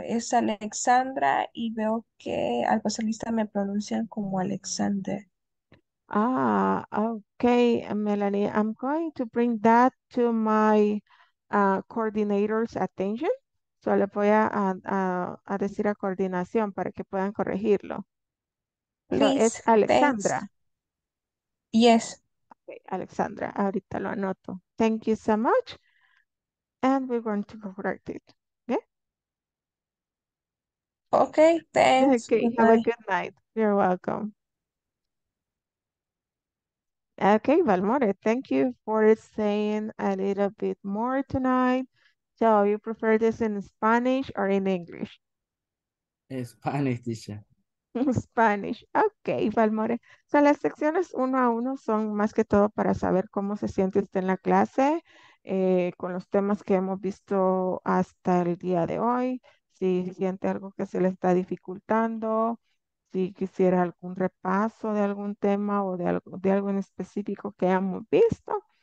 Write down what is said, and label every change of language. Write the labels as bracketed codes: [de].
[es] Es Alexandra y veo que al pasar lista me pronuncian como Alexander. [en] Ah, okay, Melanie. I'm going to bring that to my coordinator's attention. [es] So le voy a decir a coordinación para que puedan corregirlo. [en] Please, [es] so es Alexandra. [en] Thanks. Yes. Okay, Alexandra. [es] Ahorita lo anoto. [en] Thank you so much. And we're going to correct it. Okay. Okay. Thanks. Okay. Bye. Have a good night. You're welcome. Okay, Valmore, thank you for saying a little bit more tonight. So you prefer this in Spanish or in English? Spanish, Tisha. Spanish. Okay, Valmore. [es] So las secciones uno a uno son más que todo para saber cómo se siente usted en la clase, con los temas que hemos visto hasta el día de hoy, si siente algo que se le está dificultando, si quisiera algún repaso de algún tema o de algo en específico que hayamos visto